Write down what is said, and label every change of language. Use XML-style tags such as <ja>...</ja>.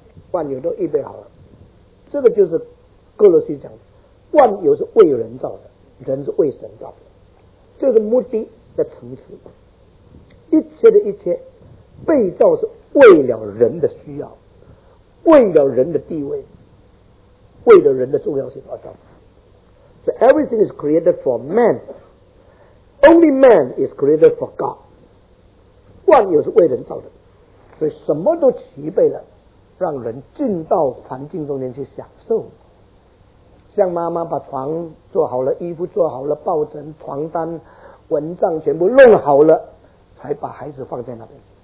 <zh>万有都预备好了，这个就是哥罗西讲的，万有是为人造的，人是为神造的，这是目的的层次。一切的一切被造是为了人的需要，为了人的地位，为了人的重要性而造。</zh> <en>So everything is created for man. Only man is created for God.</en> <zh>万有是为人造的，所以什么都齐备了，让人进到环境中间去享受。像妈妈把床做好了，衣服做好了，抱枕、床单、蚊帐全部弄好了，才把孩子放在那边。</zh>